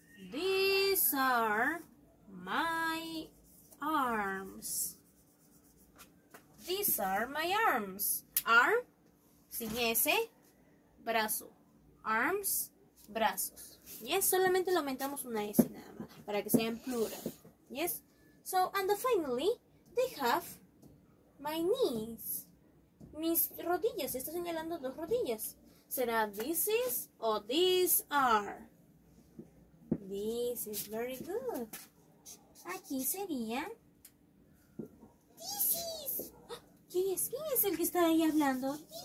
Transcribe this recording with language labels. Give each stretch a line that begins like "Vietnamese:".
English: These are my arms. These are my arms. Arm,
Spanish: sin S, brazo.
English: Arms, brazos. Yes,
Spanish: solamente lo aumentamos una S nada más, para que sea en plural.
English: Yes. So, and finally, they have my knees.
Spanish: Mis rodillas, está señalando dos rodillas.
English: ¿Será this is o these are? This is very good.
Spanish: Aquí sería...
English: This is...
Spanish: ¿Quién es el que está ahí hablando?